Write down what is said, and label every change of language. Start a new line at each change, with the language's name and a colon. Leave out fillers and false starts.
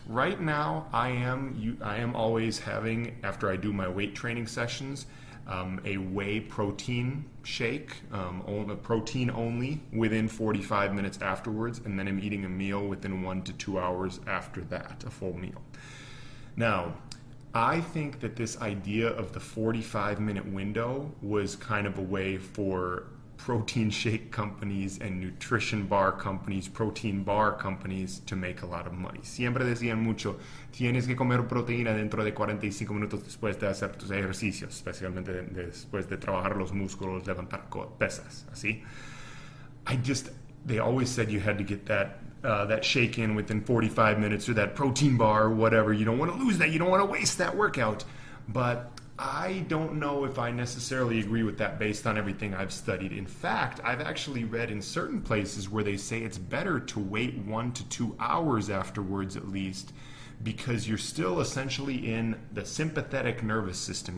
English: Right now, I am always having, after I do my weight training sessions, a whey protein shake, protein only, within 45 minutes afterwards, and then I'm eating a meal within 1 to 2 hours after that, a full meal. Now, I think that this idea of the 45-minute window was kind of a way for protein shake companies and nutrition bar companies, protein bar companies, to make a lot of money.
Spanish: Siempre decían mucho, tienes que comer proteína dentro de 45 minutos después de hacer tus ejercicios, especialmente después de trabajar los músculos, levantar pesas, así.
English: They always said you had to get that shake in within 45 minutes or that protein bar or whatever. You don't want to lose that. You don't want to waste that workout. But I don't know if I necessarily agree with that based on everything I've studied. In fact, I've actually read in certain places where they say it's better to wait 1 to 2 hours afterwards at least, because you're still essentially in the sympathetic nervous system.